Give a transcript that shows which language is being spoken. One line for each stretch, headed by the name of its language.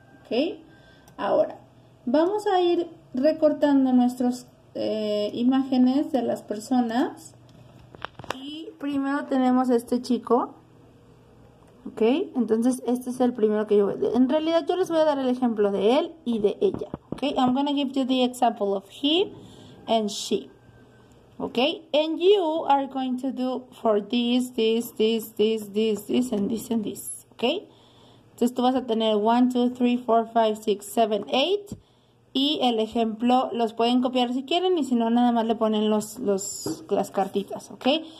Spanish: Okay, ahora vamos a ir recortando nuestras imágenes de las personas. Y primero tenemos a este chico. Ok, entonces este es el primero que yo voy. En realidad, yo les voy a dar el ejemplo de él y de ella.
English: Ok, I'm gonna give you the example of he and she. Ok, and you are going to do for this, this, this, this, this, this, and this, and this.
Spanish: Ok, entonces tú vas a tener 1, 2, 3, 4, 5, 6, 7, 8. Y el ejemplo los pueden copiar si quieren, y si no, nada más le ponen las cartitas, ¿ok?